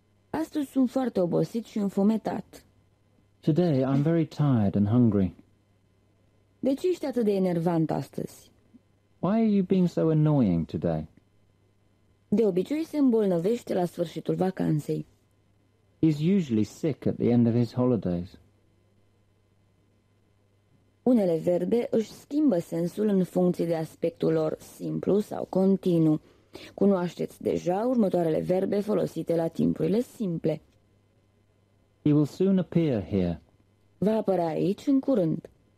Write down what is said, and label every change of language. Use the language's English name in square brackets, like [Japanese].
[Romanian] Astăzi sunt foarte obosit și înfometat. [English] Today I'm very tired and hungry. [Romanian] De ce ești atât de enervant astăzi? [English] Why are you being so annoying today? [Romanian] De obicei se îmbolnăvește la sfârșitul vacanței. [English] He's usually sick at the end of his holidays. [Romanian] Unele verbe își schimbă sensul în funcție de aspectul lor simplu sau continuu. Cunoașteți deja următoarele verbe folosite la timpurile simple. [English] He will soon appear here. [Romanian] Va apărea aici în curând.